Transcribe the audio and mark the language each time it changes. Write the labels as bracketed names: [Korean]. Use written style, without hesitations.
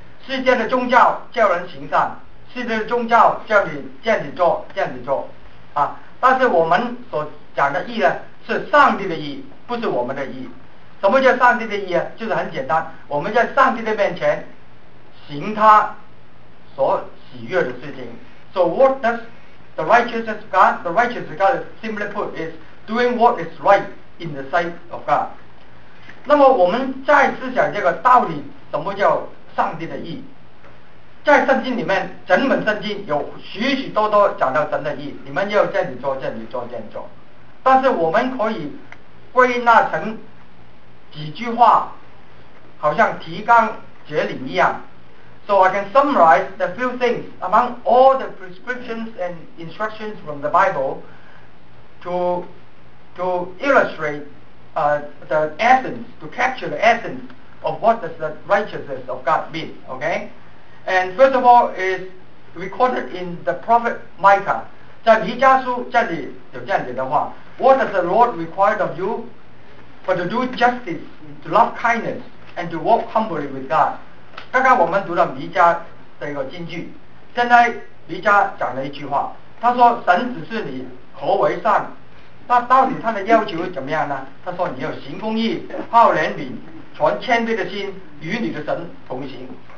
[Chinese] 世界的宗教叫人行善，世界的宗教叫你这样子做，这样子做，啊！但是我们所讲的义呢，是上帝的义，不是我们的义。什么叫上帝的义啊？就是很简单，我们在上帝的面前行他所喜悦的事情。 [English] So what does the righteousness of God? The righteousness of God is simply put is doing what is right in the sight of God. [Chinese] 那么我们再思想这个道理，什么叫上帝的义？在圣经里面，整本圣经有许许多多讲到神的义，你们要这样子做，这样子做，这样做。但是我们可以归纳成几句话，好像提纲挈领一样。 [English] So I can summarize the few things among all the prescriptions and instructions from the Bible to illustrate the essence, to capture the essence of what does the righteousness of God mean, okay? And first of all, is recorded in the prophet Micah. [Chinese] 在弥迦书这里有这样子的话， [English] What does the Lord require of you? But to do justice, to love kindness, and to walk humbly with God. [Chinese] 刚刚我们读了弥迦的一个金句，现在弥迦讲了一句话，他说神指示你何为善，那到底他的要求怎么样呢？他说你要行公义，好怜悯，存谦卑的心，与你的神同行。